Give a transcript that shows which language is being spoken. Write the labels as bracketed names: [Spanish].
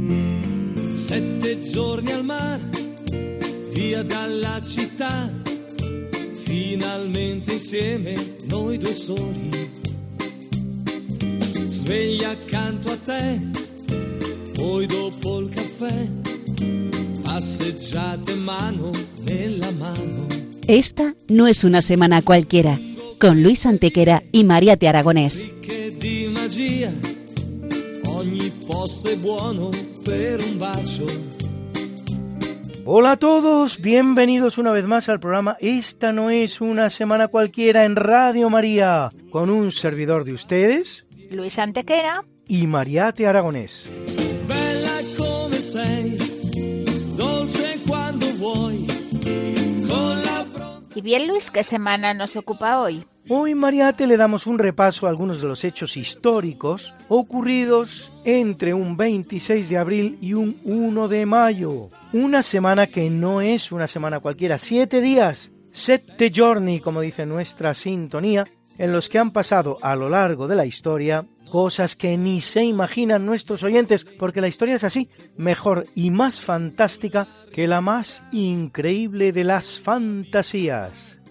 [Italian] Sette giorni al mare, via dalla città, finalmente insieme noi due soli. Svegli accanto a te, poi dopo il caffè, passeggiate mano nella mano. [Spanish] Esta no es una semana cualquiera, con Luis Antequera y María de Aragonés. [Italian] Ricche di magia, ogni posto è buono per un bacio. [Spanish] Hola a todos, bienvenidos una vez más al programa Esta no es una semana cualquiera en Radio María, con un servidor de ustedes, Luis Antequera y Mariate Aragonés. [Italian] Bella come sei, dolce quando vuoi, con la pronta... [Spanish] Y bien, Luis, ¿qué semana nos ocupa hoy? Hoy, Mariate, le damos un repaso a algunos de los hechos históricos ocurridos entre un 26 de abril y un 1 de mayo. Una semana que no es una semana cualquiera, 7 días, 7 [English] journey, [Spanish] como dice nuestra sintonía, en los que han pasado a lo largo de la historia cosas que ni se imaginan nuestros oyentes, porque la historia es así, mejor y más fantástica que la más increíble de las fantasías.